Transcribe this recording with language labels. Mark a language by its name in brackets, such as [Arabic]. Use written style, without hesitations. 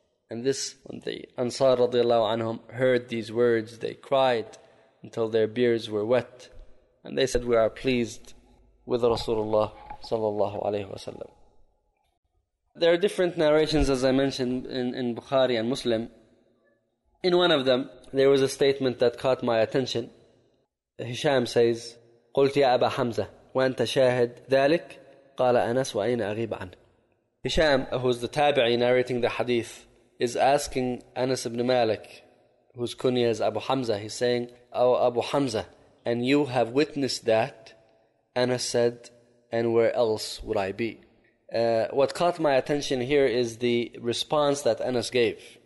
[English] And this, when the Ansar radiallahu anhum heard these words, they cried until their beards were wet. And they said, we are pleased with Rasulullah sallallahu alayhi wa sallam. There are different narrations, as I mentioned, in Bukhari and Muslim. In one of them, there was a statement that caught my attention. Hisham says, [Arabic] قلت يا أبا حمزة وأنت شاهد ذلك قال أنس وأين أغيب عنه. [English] Hisham, who's the tabi'i narrating the hadith, is asking Anas ibn Malik, whose kunya is Abu Hamza, he's saying, oh Abu Hamza, and you have witnessed that? Anas said, and where else would I be? What caught my attention here is the response that Anas gave.